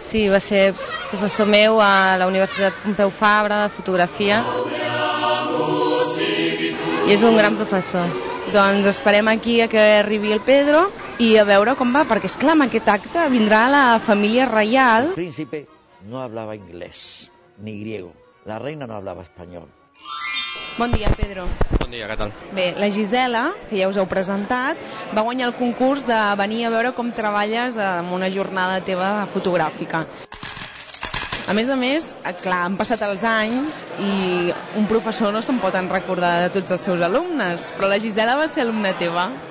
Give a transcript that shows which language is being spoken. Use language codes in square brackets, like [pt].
[ca] Sí, va ser professor meu a la Universitat Pompeu Fabra de fotografia. I és un gran professor. Doncs esperem aquí a que arribi el Pedro i a veure com va, perquè, esclar, amb aquest acte vindrà la família reial. [es] El príncipe no hablaba inglés ni griego. La reina no hablaba español. [ca] Bon dia, Pedro. Bon dia, què tal? Bé, la Gisela, que ja us heu presentat, va guanyar el concurs de venir a veure com treballes en una jornada teva fotogràfica. A més, clar, han passat els anys i un professor no se'n pot recordar de tots els seus alumnes, però la Gisela va ser alumna teva.